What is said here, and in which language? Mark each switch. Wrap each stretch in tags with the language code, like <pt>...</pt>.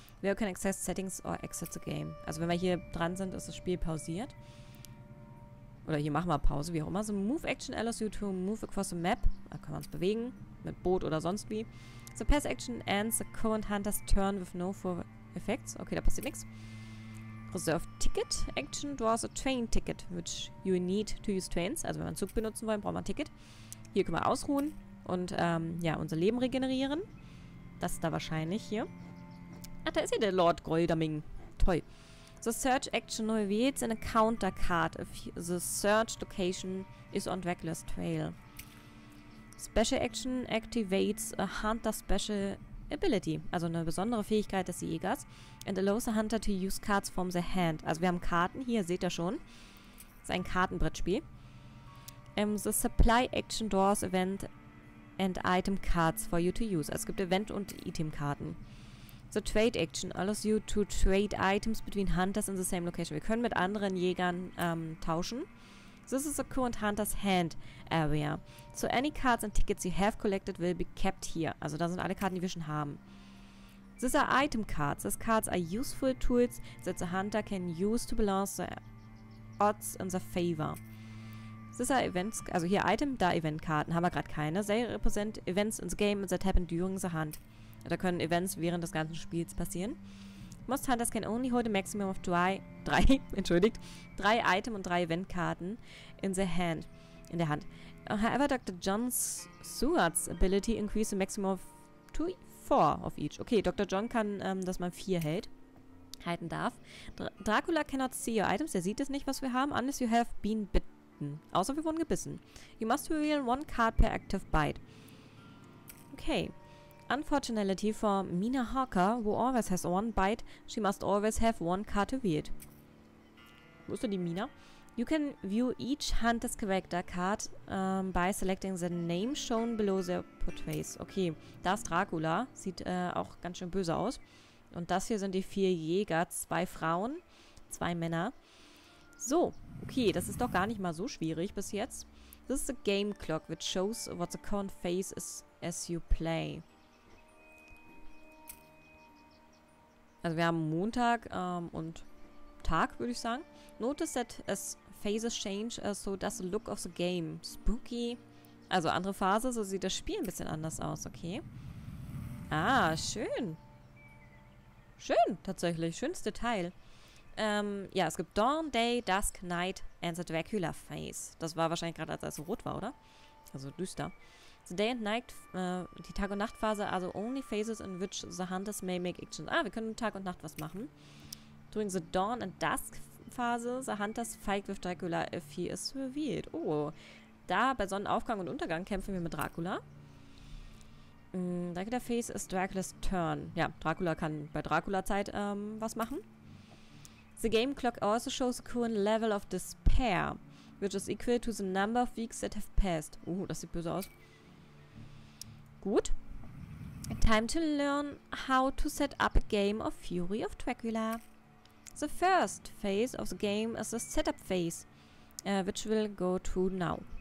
<en>We can access settings or exit the game.</en> <de>Also wenn wir hier dran sind, ist das Spiel pausiert. Oder hier machen wir Pause, wie auch immer.</de> <en>So Move Action allows you to move across the map.</en> <de>Da können wir uns bewegen. Mit Boot oder sonst wie.</de> <en>The Pass Action ends the current hunter's turn with no further effects.</en> <de>Okay, da passiert nichts.</de> <en>Reserve Ticket Action draws a train ticket, which you need to use trains.</en> <de>Also wenn wir einen Zug benutzen wollen, brauchen wir ein Ticket. Hier können wir ausruhen und unser Leben regenerieren. Das ist da wahrscheinlich hier. Ach, da ist hier der Lord Goldeming. Toll.</de> <en>The Search Action reveals in a counter card if the search location is on Dracula's trail. Special Action activates a Hunter Special Ability,</en> <de>also eine besondere Fähigkeit des Jägers,</de> <en>and allows a Hunter to use cards from the hand.</en> <de>Also wir haben Karten, hier seht ihr schon. Das ist ein Kartenbrettspiel.</de> <en>The Supply Action draws Event and Item Cards for you to use.</en> <de>Also es gibt Event- und Item-Karten.</de> <en>The Trade Action allows you to trade items between Hunters in the same location.</en> <de>Wir können mit anderen Jägern tauschen.</de> <en>This is a current Hunter's Hand Area. So any cards and tickets you have collected will be kept here.</en> <de>Also da sind alle Karten, die wir schon haben.</de> <en>This are item cards. These cards are useful tools that the Hunter can use to balance the odds in their favor. This are events,</en> <de>also hier Item, da Eventkarten, haben wir gerade keine.</de> <en>They represent events in the game that happen during the Hunt.</en> <de>Da können Events während des ganzen Spiels passieren.</de> <en>Most Hunters can only hold a maximum of</en> <de>drei Item und drei Eventkarten in der Hand.</de> <en>However, Dr. John Seward's ability increases a maximum of 4 of each. Okay, Dr.</en> <de>John kann, dass man 4 hält, halten darf.</de> <en>Dracula cannot see your items,</en> <de>er sieht es nicht, was wir haben,</de> <en>unless you have been bitten.</en> <de>Außer wir wurden gebissen.</de> <en>You must reveal one card per active bite. Okay. Unfortunately for Mina Hawker, who always has one bite, she must always have one card to wield.</en> <de>Wo ist denn die Mina?</de> <en>You can view each Hunter's character card by selecting the name shown below their portraits.</en> <de>Okay, da ist Dracula. Sieht auch ganz schön böse aus. Und das hier sind die 4 Jäger. 2 Frauen, 2 Männer. So, okay, das ist doch gar nicht mal so schwierig bis jetzt.</de> <en>This is the game clock, which shows what the current phase is as you play.</en> <de>Also wir haben Montag und Tag, würde ich sagen.</de> <en>Notice that as phases change, so does the look of the game. Spooky.</en> <de>Also andere Phase, so sieht das Spiel ein bisschen anders aus, okay. Ah, schön. Schön, tatsächlich. Schönes Detail. Ja, es gibt Dawn, Day, Dusk, Night and the Dracula Phase. Das war wahrscheinlich gerade, als er so rot war, oder? Also düster.</de> <en>The Day and Night,</en> <de>die Tag- und Nachtphase,</de> <en>also only phases in which the Hunters may make actions.</en> <de>Ah, wir können Tag und Nacht was machen.</de> <en>During the Dawn and Dusk Phase, the Hunters fight with Dracula if he is revealed.</en> <de>Oh, da bei Sonnenaufgang und Untergang kämpfen wir mit Dracula.</de> <en>Dracula Phase is Dracula's Turn.</en> <de>Ja, Dracula kann bei Dracula-Zeit was machen.</de> <en>The Game Clock also shows a current level of despair, which is equal to the number of weeks that have passed.</en> <de>Oh, das sieht böse aus. Gut.</de> <en>Time to learn how to set up a game of Fury of Dracula. The first phase of the game is the setup phase, which we'll go to now.</en>